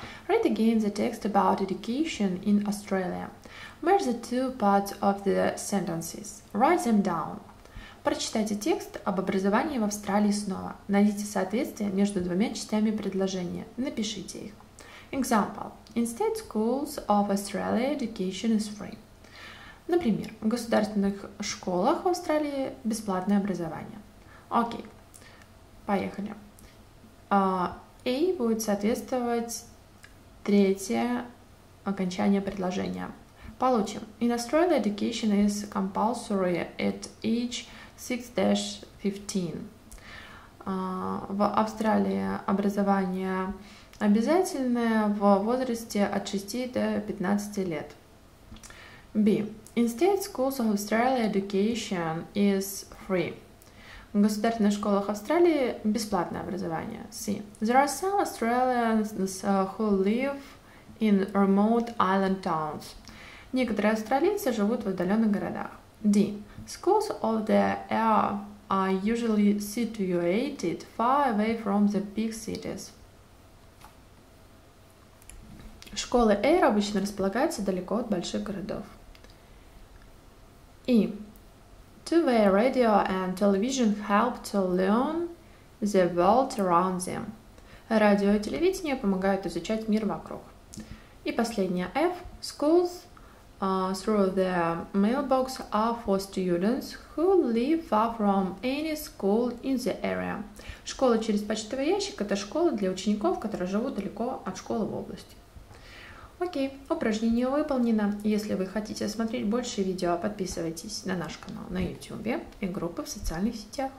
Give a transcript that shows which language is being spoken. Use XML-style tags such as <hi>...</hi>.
<en>Read again the text about education in Australia. Merge the two parts of the sentences. Write them down.</en> <ru>Прочитайте текст об образовании в Австралии снова. Найдите соответствие между двумя частями предложения. Напишите их.</ru> <en>Example. In state schools of Australia, education is free.</en> <ru>Например, в государственных школах в Австралии бесплатное образование. Окей, поехали. A будет соответствовать третье окончание предложения. Получим.</ru> <en>In Australia education is compulsory at age 6-15.</en> <ru>В Австралии образование обязательное в возрасте от 6 до 15 лет.</ru> <en>B. In state schools of Australia, education is free.</en> <ru>В государственных школах Австралии бесплатное образование.</ru> <en>C. There are some Australians who live in remote island towns.</en> <ru>Некоторые австралийцы живут в отдаленных городах.</ru> <en>D. Schools of the area are usually situated far away from the big cities.</en> <ru>Школы Air обычно располагаются далеко от больших городов.</ru> <en>E. Two-way radio and television help to learn the world around them.</en> <ru>Радио и телевидение помогают изучать мир вокруг. И последнее. F.</ru> <en>Schools through their mailbox are for students who live far from any school in the area.</en> <ru>Школа через почтовый ящик — это школа для учеников, которые живут далеко от школы в области. Окей, упражнение выполнено. Если вы хотите смотреть больше видео, подписывайтесь на наш канал на YouTube и группы в социальных сетях.</ru>